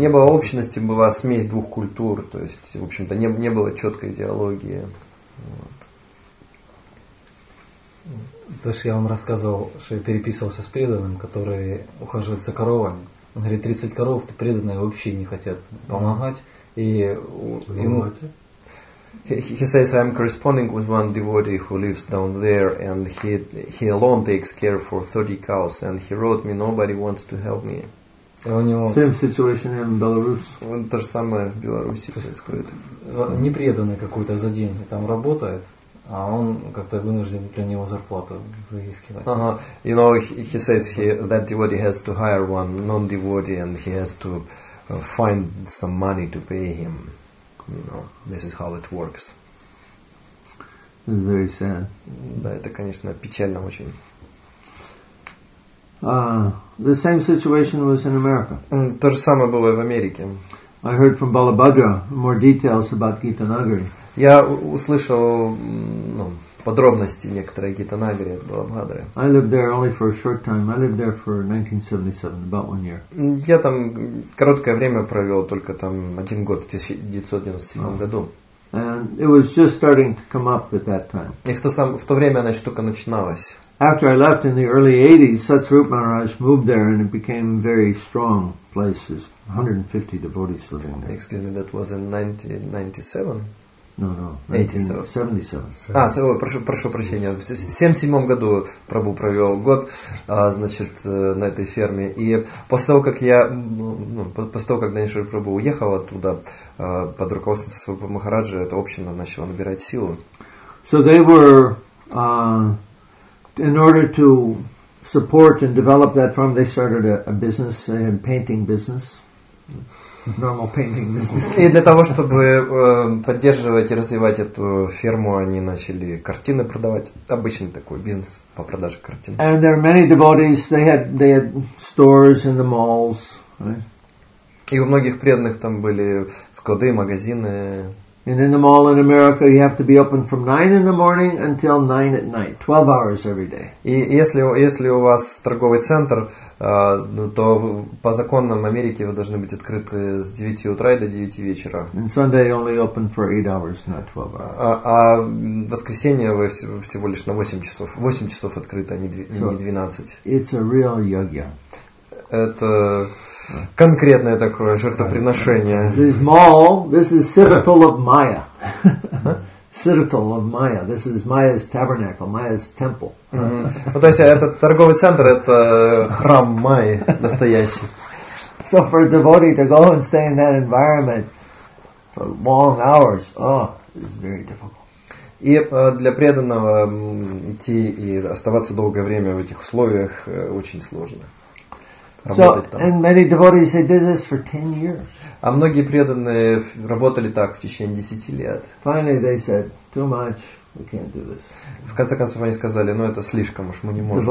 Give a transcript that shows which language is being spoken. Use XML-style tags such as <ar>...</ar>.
<ru>Не было общности, была смесь двух культур, то есть, в общем-то, не было четкой идеологии. Вот. То есть я вам рассказывал, что я переписывался с преданным, который ухаживает за коровами. Он говорит, 30 коров, ты преданные вообще не хотят помогать. И ему...</ru> <en>He says, I'm corresponding with one devotee who lives down there, and he alone takes care for 30 cows, and he wrote me, nobody wants to help me. Same situation in Belarus.</en> <ru>То же самое в Беларуси происходит. Непреданный какой-то за деньги там работает, а он как-то вынужден для него зарплату выискивать.</ru> <en>You know, he says that devotee has to hire one non-devotee, and he has to find some money to pay him. You know, this is how it works. This is very sad.</en> <ru>Да, это, конечно, печально очень.</ru> <en>The same situation was in America.</en> <ru>То же самое было и в Америке.</ru> <en>I heard from Balabhadra more details about Gita Nagari.</en> <ru>Я услышал подробности некоторые Гита Нагари от Балабхадры.</ru> <en>I lived there only for a short time. I lived there for 1977, about one year.</en> <ru>Я там короткое время провел, только там один год в 1997 году.</ru> <en>And it was just starting to come up at that time.</en> <ru>И в то время она только начиналась.</ru> <en>After I left in the early 80s, Satsarupa Maharaj moved there and it became very strong place. There's 150 devotees living there. Excuse me, that was in 1997? No, 77.</en> <ru>Прошу прощения. В 77 году Прабу провел год, значит, на этой ферме. И после того, как я, после того, как Даниша Прабу уехал оттуда, под руководством Сасарупа Махараджи, эта община начала набирать силу.</ru> <en>So they were, in order to support and develop that farm, they started a business, a painting business. Normal painting business.</en> <ru>И для того, чтобы поддерживать и развивать эту ферму, они начали картины продавать. Обычный такой бизнес по продаже картин.</ru> <en>And there are many devotees. They had stores in the malls. Right?</en> <ru>И у многих преданных там были склады, магазины.</ru> <en>And in the mall in America, you have to be open from 9 in the morning until 9 at night. 12 hours every day.</en> <ru>И если у вас торговый центр, то по законам Америки вы должны быть открыты с 9 утра и до 9 вечера.</ru> <en>And Sunday only open for 8 hours, not 12 hours.</en> <ru>А в воскресенье вы всего лишь на 8 часов. 8 часов открыто, а не 12.</ru> <en>It's a real yoga.</en> <ru>Это конкретное такое жертвоприношение.</ru> <en>This mall, this is Citadel of Maya. Citadel of Maya. This is Maya's tabernacle, Maya's temple.</en> <ru>Ну, то есть, этот торговый центр, это храм Майи настоящий.</ru> <en>So for a devotee to go and stay in that environment for long hours, oh, it's very difficult.</en> <ru>И для преданного идти и оставаться долгое время в этих условиях очень сложно.</ru> <en>So, and many devotees, they did this for 10 years.</en> <ru>А многие преданные работали так в течение 10 лет.</ru> <en>Finally, they said, too much, we can't do this.</en> <ru>В конце концов, они сказали, ну это слишком уж, мы не можем.</ru>